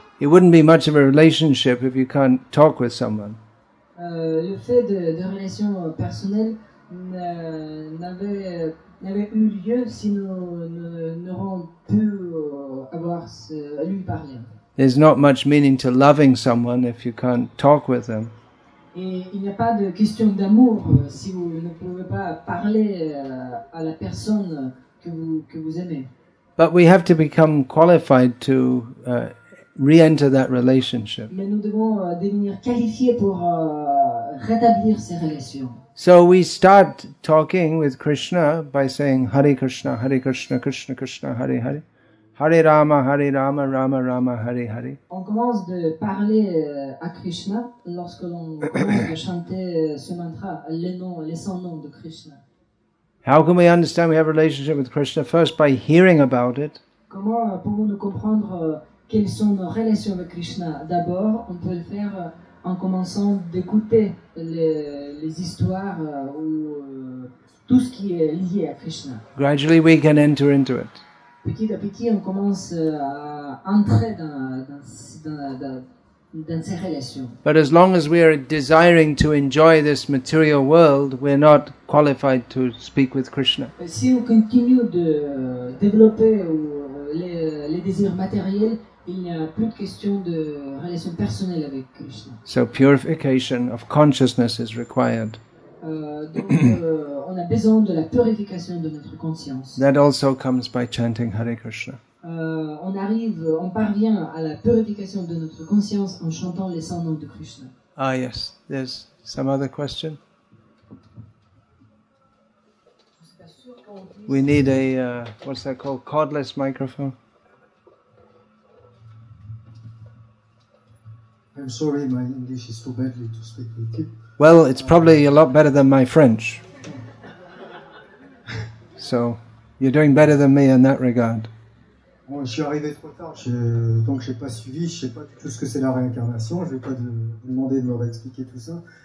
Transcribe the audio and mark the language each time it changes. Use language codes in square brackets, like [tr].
[en] It wouldn't be much of a relationship if you can't talk with someone. [fr] Le fait de relations personnelles n'avait eu lieu si nous n'aurons pu avoir à lui parler. [en] There's not much meaning to loving someone if you can't talk with them. [fr] Et il n'y a pas de question d'amour si vous ne pouvez pas parler à la personne que vous aimez. [en] But we have to become qualified to re-enter that relationship. [fr] Mais nous devons devenir qualifiés pour rétablir ces relations. [en] So we start talking with Krishna by saying Hare Krishna, Hare Krishna, Krishna Krishna, Hare Hare. Hare Rama, Hare Rama, Rama Rama, Hare Hare. [fr] On commence de parler à Krishna lorsque l'on commence de chanter ce mantra, les 100 noms de Krishna. [en] How can we understand we have a relationship with Krishna? First by hearing about it. [fr] Comment pouvons-nous comprendre quelles sont nos relations avec Krishna? D'abord, on peut le faire en commençant d'écouter les histoires ou tout ce qui est lié à Krishna. [en] Gradually we can enter into it. [fr] Petit à petit, on commence à entrer dans ces relations. [en] But as long as we are desiring to enjoy this material world, we're not qualified to speak with Krishna. [fr] Si on continue de développer les désirs matériels, il n'y a plus de question de relation personnelle avec Krishna. [en] So purification of consciousness is required. [fr] On a besoin de la purification de notre conscience. [en] That also comes by chanting Hare Krishna. [fr] On parvient à la purification de notre conscience en chantant les 100 noms de Krishna. [en] Ah yes, there's some other question. We need a what's that called, cordless microphone. I'm sorry, my English is too badly to speak with you. Well, it's probably a lot better than my French. So, you're doing better than me in that regard. [fr] Bon, je suis arrivé trop tard, donc je n'ai pas suivi, je ne sais pas du tout ce que c'est la réincarnation, je ne vais pas vous demander de me réexpliquer tout ça.